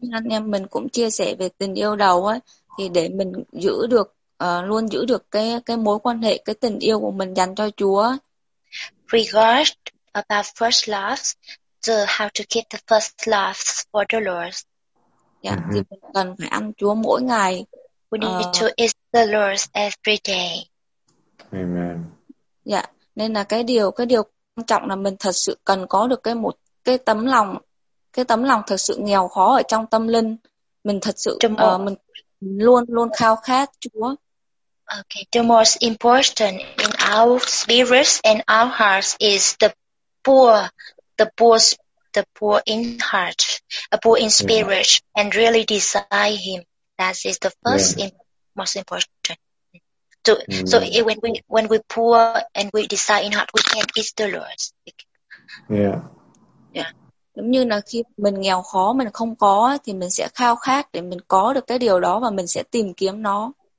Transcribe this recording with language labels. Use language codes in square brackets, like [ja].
[vi] Anh em mình cũng chia sẻ về tình yêu đầu ấy, thì để mình giữ được luôn giữ được cái mối quan hệ, cái tình yêu của mình dành cho Chúa. [en] Regard about first love. So how to keep the first love for the Lord? [vi] Yeah, mm-hmm. Thì mình cần phải ăn Chúa mỗi ngày. [en] We need to eat the Lord every day. Amen. [vi] Yeah, nên là cái điều quan trọng là mình thật sự cần có được cái tấm lòng thật sự nghèo khó ở trong tâm linh. Mình thật sự mình luôn luôn khao khát Chúa. [en] Okay, the most important in our spirits and our hearts is the poor in heart, a poor in spirit, yeah. And really desire him. That is the first, yeah. Most important. So, mm-hmm. So when we poor and we desire in heart, we can eat the Lord. Yeah. Yeah. [vi] Giống như là khi mình nghèo khó, mình không có, thì mình sẽ khao khát để mình có được cái điều đó và mình sẽ tìm kiếm nó.